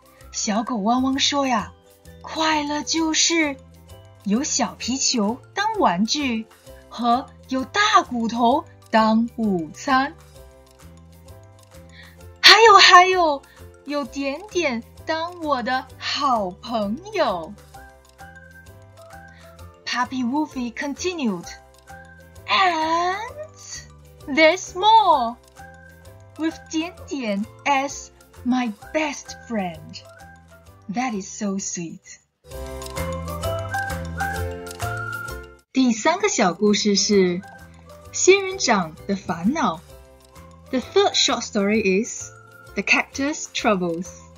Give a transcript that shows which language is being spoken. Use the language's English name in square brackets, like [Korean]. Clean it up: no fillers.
[Chinese] 小狗汪汪说呀，快乐就是有小皮球当玩具和有大骨头当午餐。还有有点点当我的好朋友。 [English] Puppy Woofy continued, And there's more, with 点点 as my best friend. That is so sweet. [Chinese] 第三个小故事是仙人掌的烦恼。 [English] The third short story is The Cactus Troubles.